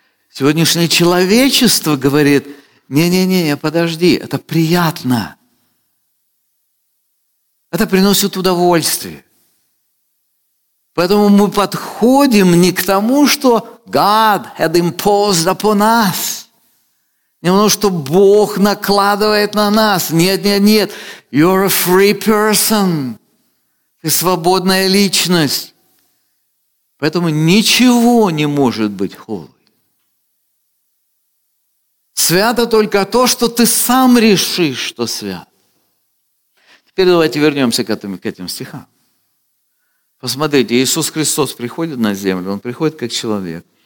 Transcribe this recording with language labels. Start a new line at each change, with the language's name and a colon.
Russian: Сегодняшнее человечество говорит: не-не-не, подожди, это приятно. Это приносит удовольствие. Поэтому мы подходим не к тому, что
English: God had imposed upon us.
Russian: Не потому, что Бог накладывает на нас. Нет-нет-нет,
English: you're a free person.
Russian: Ты свободная личность. Поэтому ничего не может быть холой. Свято только то, что ты сам решишь, что свято. Теперь давайте вернемся к этим стихам. Посмотрите, Иисус Христос приходит на землю, Он приходит как человек.